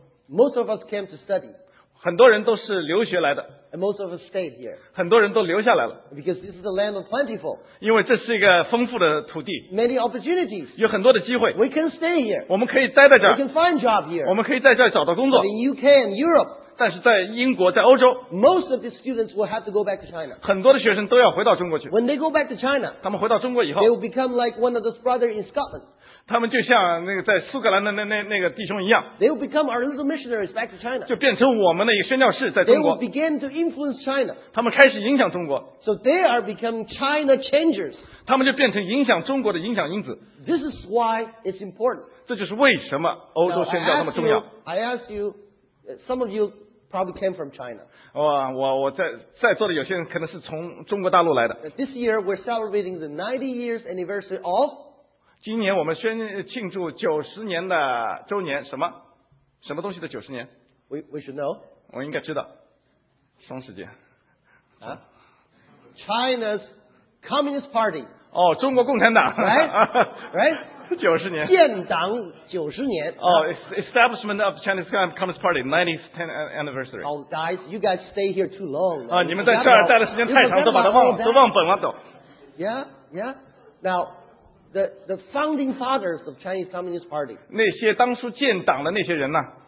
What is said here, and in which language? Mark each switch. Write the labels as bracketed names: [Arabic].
[English] Most of us came to study. [Chinese] 很多人都是留学来的。 [English] And most of us stayed here. [Chinese] 很多人都留下来了。 [English] Because this is a land of plentiful. [Chinese] 因为这是一个丰富的土地。 [English] Many opportunities. [Chinese] 有很多的机会。 [English] We can stay here. [Chinese] 我们可以待在这儿。 [English] We can find job here. [Chinese] 我们可以在这儿找到工作。 [English] But in UK and Europe. [Chinese] 但是在英国，在欧洲。 [English] Most of these students will have to go back to China. [Chinese] 很多的学生都要回到中国去。 [English] When they go back to China. [Chinese] 他们回到中国以后。 [English] They will become like one of those brothers in Scotland. [Chinese] 他们就像那个在苏格兰的那个弟兄一样 [English] ，They will become our little missionaries back to China. [Chinese] 就变成我们的一个宣教士在中国。 [English] They will begin to influence China. [Chinese] 他们开始影响中国。 [English] So they are becoming China changers. [Chinese] 他们就变成影响中国的影响因子。 [English] This is why it's important. [Chinese] 这就是为什么欧洲宣教那么重要。 [English] I ask you, some of you probably came from China. [Chinese] 我在座的有些人可能是从中国大陆来的。 [English] This year we're celebrating the 90 years anniversary of. [Chinese] 今年我们庆祝90年的周年，什么东西的90年？ [English] We should know. [Chinese] 我应该知道，双十节。 [English] China's Communist Party. [Chinese] 哦，中国共产党。 Right? 90年。建党90年。 [English] Establishment of Chinese Communist Party, 90th anniversary. Oh, guys, you guys stay here too long. [Chinese] 你们在这儿待的时间太长，都把它忘本了。 [English] Yeah, yeah. Now, the founding fathers of Chinese Communist Party. [Chinese] 那些当初建党的那些人呢？